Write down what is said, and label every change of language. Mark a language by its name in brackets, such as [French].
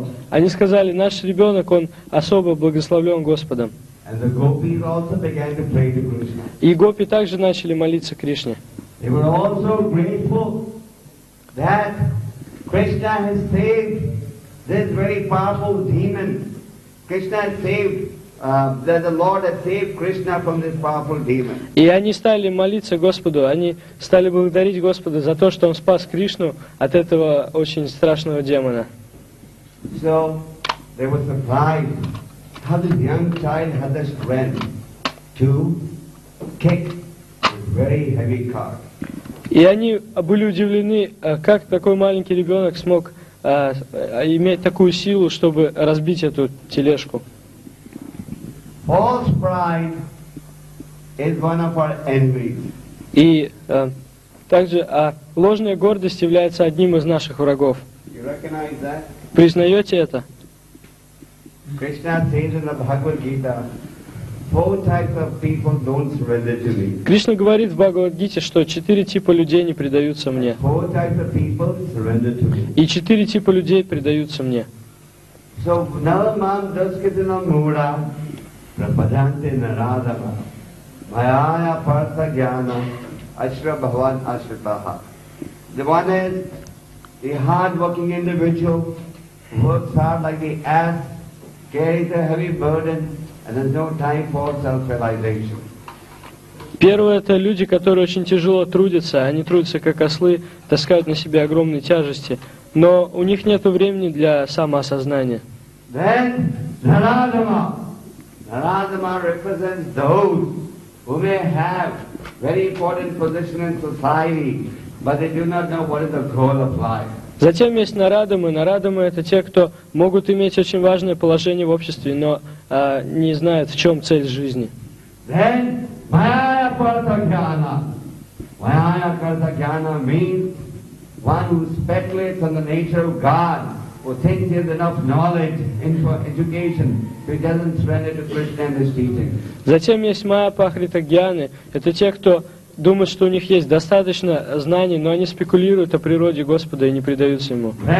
[Russian] Они сказали, наш ребенок, он особо благословлен Господом. [English] And the gopis also began to pray to Krishna. [Russian] И гопи также начали молиться Кришне. [English] They were also grateful that Krishna has saved this very powerful demon. Krishna has saved that the Lord has saved Krishna from this powerful demon. [Russian] И они стали молиться Господу, они стали благодарить Господа за то, что Он спас Кришну от этого очень страшного демона. [English] So they were surprised. How this young child had the strength to kick a very heavy cart. [Russian] И они были удивлены, как такой маленький ребенок смог иметь такую силу, чтобы разбить эту тележку. [English] False pride is one of our enemies. [Russian] И также ложная гордость является одним из наших врагов. [English] You recognize that? [Russian] Признаете это? [English] Krishna says in the Bhagavad Gita, four types of people don't surrender to me. [Russian] Кришна говорит в Бхагавад-гите, что четыре типа людей не предаются мне. [English] Four types of people surrender to me. [Russian] И четыре типа людей предаются мне. [Sanskrit] So Navamam Duskitana Mura Prabhadante Naradava Mayaya Partha Jnana Ashra Bhavan Ashrataha. [English] The one is the hard-working individual who works hard like the ass, carries a heavy burden and has no time for self-realization. [Russian] Первое – это люди, которые очень тяжело трудятся. Они трудятся как ослы, таскают на себе огромные тяжести, но у них нет времени для самоосознания. [English] Then Naradama. Naradama represents those who may have very important position in society, but they do not know what is the goal of life. [Russian] Затем есть нарадамы. Нарадамы – это те, кто могут иметь очень важное положение в обществе, но не знают, в чем цель жизни. [English] Then, Mayaya Partha Jnana. Mayaya Partha Jnana means one who speculates on the nature of God, who thinks he has enough knowledge and for education, who doesn't surrender to Krishna and his teaching. [Russian] Затем есть Mayaya Partha Jnana. Это те, кто думают, что у них есть достаточно знаний, но они спекулируют о природе Господа и не предаются Ему.